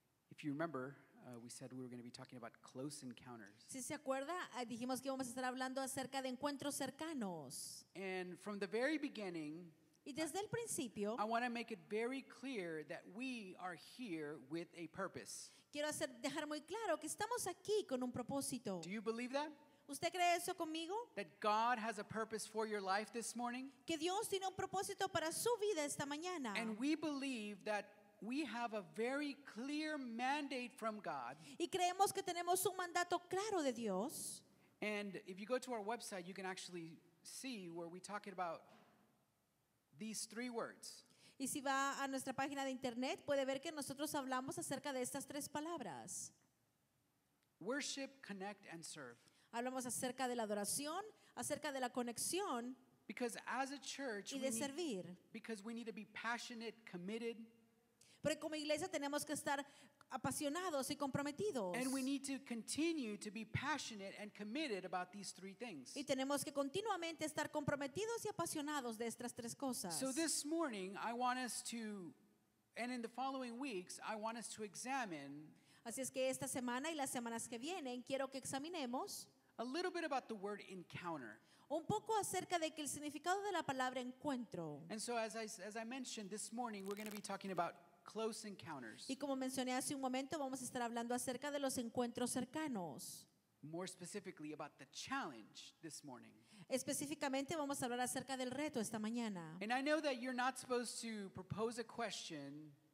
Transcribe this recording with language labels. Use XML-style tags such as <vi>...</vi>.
<en>If you remember, we said we were going to be talking about close encounters.</en> <es>Si se acuerda, dijimos que íbamos a estar hablando acerca de encuentros cercanos.</es> <en>And from the very beginning,</en> <es>y desde el principio,</es> <en>I want to make it very clear that we are here with a purpose.</en> <es>Quiero hacer dejar muy claro que estamos aquí con un propósito.</es> <en>Do you believe that?</en> <es>¿Usted cree eso conmigo?</es> <en>That God has a purpose for your life this morning.</en> <es>Que Dios tiene un propósito para su vida esta mañana.</es> <en>And we believe that we have a very clear mandate from God.</en> <es>Y creemos que tenemos un mandato claro de Dios.</es> <en>And if you go to our website, you can actually see where we talk about these three words.</en> <es>Y si va a nuestra página de internet, puede ver que nosotros hablamos acerca de estas tres palabras.</es> <en>Worship, connect, and serve.</en> <es>Hablamos acerca de la adoración, acerca de la conexión.</es> <en>Because as a church,</en> <es>y de servir.</es> <en>Because we need to be passionate, committed.</en> <es>Porque como iglesia tenemos que estar apasionados y comprometidos.</es> <en>And we need to continue to be passionate and committed about these three things.</en> <es>Y tenemos que continuamente estar comprometidos y apasionados de estas tres cosas.</es> <en>So this morning I want us to, and in the following weeks I want us to examine.</en> <es>Así es que esta semana y las semanas que vienen quiero que examinemos.</es> <en>A little bit about the word encounter.</en> <es>Un poco acerca de que el significado de la palabra encuentro.</es> <en>And so as I mentioned this morning, we're going to be talking about close encounters.</en> <es>Y como mencioné hace un momento, vamos a estar hablando acerca de los encuentros cercanos.</es> <en>More specifically about the challenge this morning.</en> <es>Específicamente vamos a hablar acerca del reto esta mañana.</es> <en>And I know that you're not supposed to propose a question.</en>